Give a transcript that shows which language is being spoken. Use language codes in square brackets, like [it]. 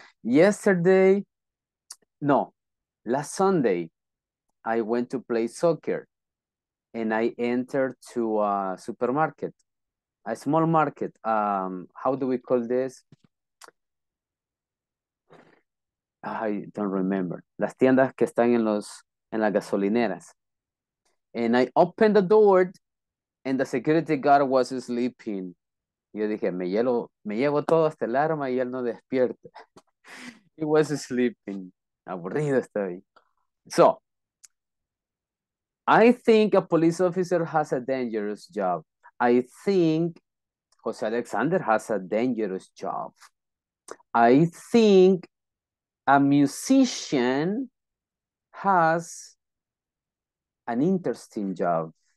[en] Yesterday, no, last Sunday, I went to play soccer and I entered to a supermarket, a small market. How do we call this? I don't remember. [es] Las tiendas que están en las gasolineras. [en] And I opened the door and the security guard was sleeping. [es] Yo dije, me llevo todo hasta el arma y él no despierta. [en] He was sleeping. [es] Aburrido estoy. [en] So, I think a police officer has a dangerous job. I think Jose Alexander has a dangerous job. I think a musician has an interesting job.